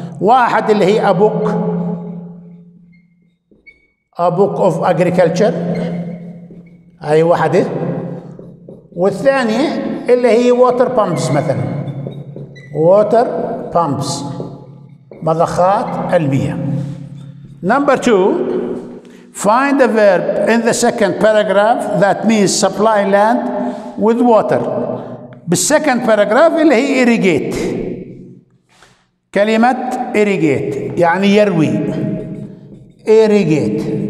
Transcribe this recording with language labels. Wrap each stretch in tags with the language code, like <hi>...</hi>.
<ar>واحد اللي هي</ar> <en>a book of agriculture</en> <ar>هاي واحدة. والثانية اللي هي</ar> <en>water pumps</en> <ar>مثلا water pumps مضخات المياه.</ar> <en>number two find a verb in the second paragraph that means supply land with water.</en> <ar>بالسكند باراجراف اللي هي إريجيت كلمة إريجيت يعني يروي إريجيت.</ar>